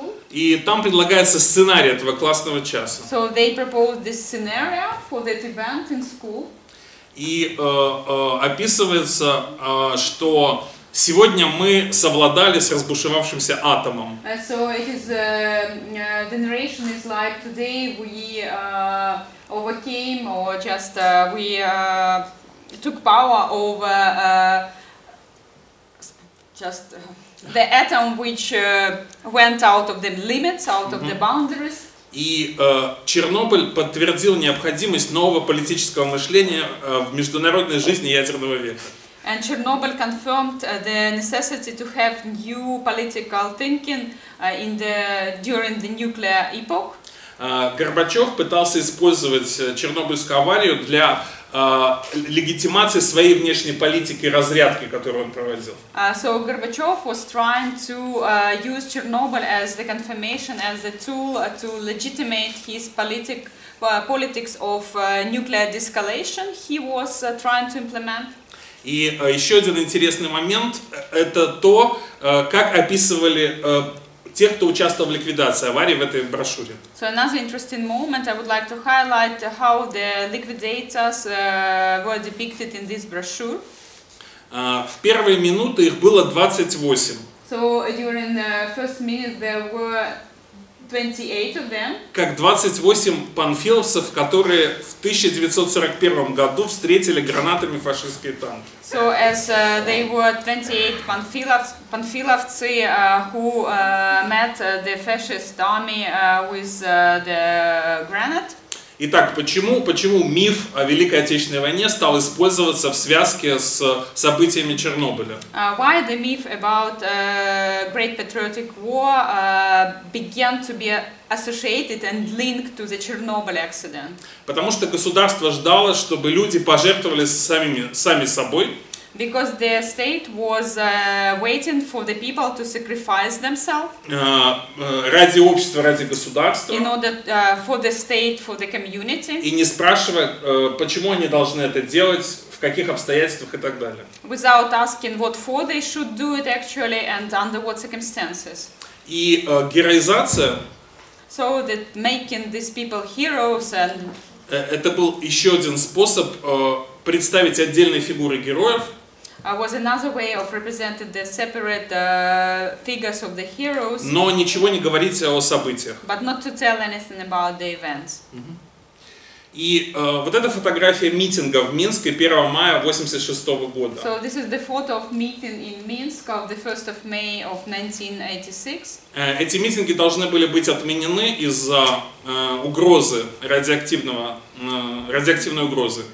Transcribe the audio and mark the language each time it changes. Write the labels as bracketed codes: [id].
[ru] И там предлагается сценарий этого классного часа. [en] So they propose this scenario for that event in school. [ru] И описывается, что сегодня мы совладали с разбушевавшимся атомом. [en] So it is, the narration is like today we overcame or just we took power over just the atom which went out of the limits, out of the boundaries. [ru] И Чернобыль подтвердил необходимость нового политического мышления в международной жизни ядерного века. [en] And Chernobyl confirmed the necessity to have new political thinking in the during the nuclear epoch. [ru] Горбачев пытался использовать Чернобыльскую аварию для легитимации своей внешней политики разрядки, которую он проводил. [en] So Gorbachev was trying to use Chernobyl as the confirmation, as the tool to legitimate his politics of nuclear de-escalation. He was trying to implement. [ru] И еще один интересный момент, это то, как описывали тех, кто участвовал в ликвидации аварии в этой брошюре. [en] So another interesting moment, I would like to highlight how the liquidators were depicted in this brochure. [ru] В первые минуты их было 28. [en] So during the first minute there were 28 of them. [ru] Как 28 панфиловцев, которые в 1941 году встретили гранатами фашистские танки. [en] So as they were 28 панфиловцы, who met the fascist army with the granite. [ru] Итак, почему миф о Великой Отечественной войне стал использоваться в связке с событиями Чернобыля? [en] Why the myth about Great Patriotic War began to be associated and linked to the Chernobyl accident? [ru] Потому что государство ждало, чтобы люди пожертвовали сами собой. [en] Because the state was waiting for the people to sacrifice themselves. [ru] Ради общества, ради государства. [en] In order for the state, for the community. [ru] И не спрашивая, почему они должны это делать, в каких обстоятельствах и так далее. [en] Without asking what for they should do it actually and under what circumstances. [ru] И героизация. [en] So that making these people heroes and. [ru] Это был еще один способ представить отдельные фигуры героев. [en] Was another way of representing the separate figures of the heroes. [ru] Но ничего не говорить о событиях. [en] But not to tell anything about the events. [ru] И вот эта фотография митинга в Минске 1 мая 86 года. [en] So this is the photo of meeting in Minsk of the 1st of May of 1986. [ru] Эти митинги должны были быть отменены из-за угрозы радиоактивной угрозы.